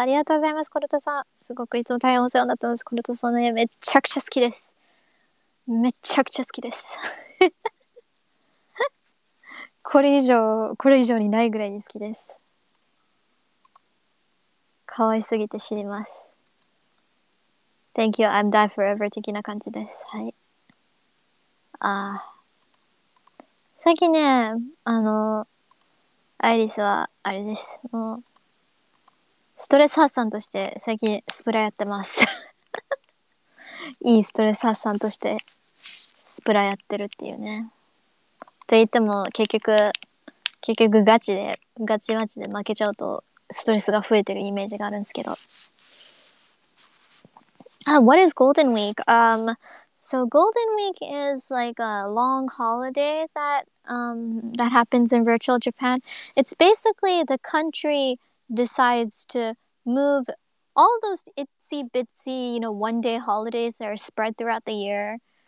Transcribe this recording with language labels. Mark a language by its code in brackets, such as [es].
[ja] ありがとうございます、コルトさん。すごくいつも大変お世話になってます。コルトさんの絵めちゃくちゃ好きです。めちゃくちゃ好きです。これ以上にないぐらいに好きです。可愛すぎて死にます。 [en] Thank you, I'm die forever [ja] 的な感じです。はい。最近ね、アイリスはあれです。もう、ストレス発散として最近スプラやってます。いいストレス発散としてスプラやってるっていうね。と言っても結局ガチマチで負けちゃうとストレスが増えてるイメージがあるんですけど。 [en] What is Golden Week? So Golden Week is like a long holiday that happens in virtual Japan. It's basically the country decides to move all those itsy bitsy, you know, one day holidays that are spread throughout the year.